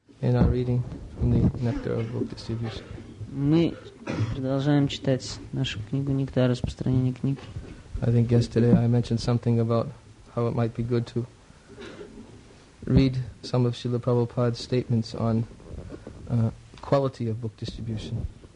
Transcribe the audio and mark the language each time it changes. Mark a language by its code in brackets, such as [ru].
[en] In our reading from the Nectar of Book Distributors. [ru] Мы продолжаем читать нашу книгу «Нектар распространения книг». [en] I think yesterday I mentioned something about how it might be good to read some of Srila Prabhupada's statements on quality of book distribution.